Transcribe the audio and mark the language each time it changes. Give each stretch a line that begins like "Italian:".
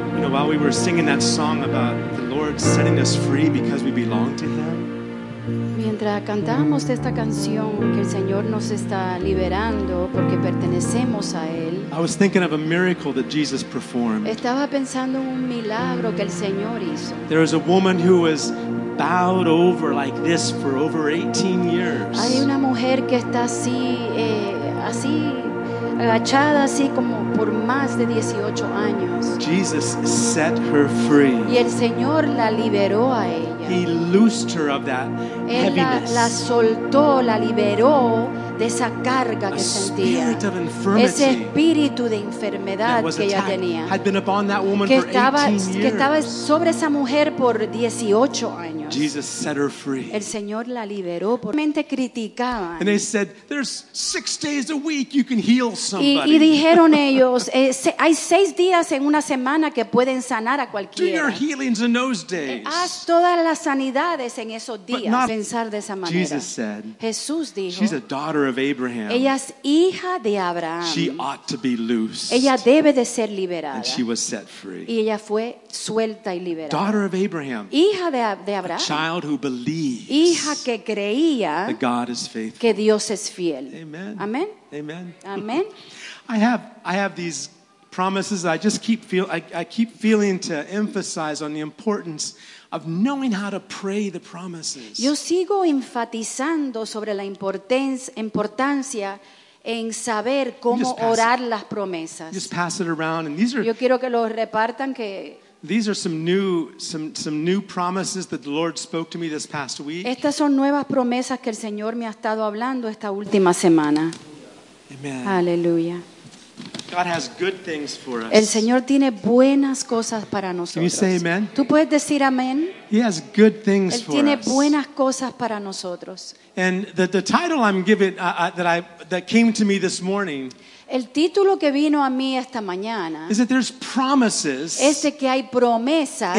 English: while we were singing that song about the Lord setting us free because we belong to Him.
Spanish: Mientras cantamos esta canción que el Señor nos está liberando porque pertenecemos a Él.
English: I was thinking of a miracle that Jesus performed.
Spanish: Estaba pensando en un milagro que el Señor hizo.
English: There is a woman who was bowed over like this for over 18 years.
Spanish: Hay una mujer que está así, así agachada así como por más de 18 años.
English: Jesus set her free.
Spanish: Y el Señor la liberó a ella.
English: He loosed her of that heaviness.
Spanish: Él la soltó, la liberó de esa carga que sentía.
English: Spirit of infirmity.
Spanish: Ese espíritu de enfermedad que ella tenía.
English: Had been upon that woman for 18 years.
Spanish: Que estaba sobre esa mujer por 18 años.
English: Jesus set her free.
Spanish: El Señor la liberó por mente criticaban.
English: And they said, "There's 6 days a week you can heal somebody."
Spanish: Y dijeron ellos, hay 6 días en una semana que pueden sanar a cualquiera.
English: Do your healings in those days.
Spanish: Haz todas las sanidades en esos días.
English: But not
Spanish: pensar de esa manera.
English: Jesus said.
Spanish: Jesús dijo.
English: She's a daughter of Abraham.
Spanish: Ella es hija de Abraham.
English: She ought to be loosed.
Spanish: Ella debe de ser liberada.
English: And she was set free.
Spanish: Y ella fue suelta y liberada.
English: Daughter of Abraham.
Spanish: Hija de Abraham.
English: A child who believes,
Spanish: hija que creía,
English: that God is faithful,
Spanish: que Dios es fiel.
English: Amen.
Spanish: Amen.
English: Amen.
Spanish: Amen.
English: I have these promises. I keep feeling to emphasize on the importance of knowing how to pray the promises.
Spanish: Yo sigo enfatizando sobre la importancia en saber cómo orar las promesas.
English: Just pass it around, and these are.
Spanish: Yo quiero que lo repartan que.
English: These are some new promises that the Lord spoke to me this past week.
Spanish: Estas son nuevas promesas que el Señor me ha estado hablando esta última semana.
English: Amen.
Spanish: Aleluya.
English: God has good things for us.
Spanish: El Señor tiene buenas cosas para nosotros.
English: Can you say amen?
Spanish: ¿Tú puedes decir amén?
English: He has good things for us.
Spanish: Él tiene buenas cosas para nosotros.
English: And the title I'm giving that came to me this morning.
Spanish: El título que vino a mí esta mañana es de que hay promesas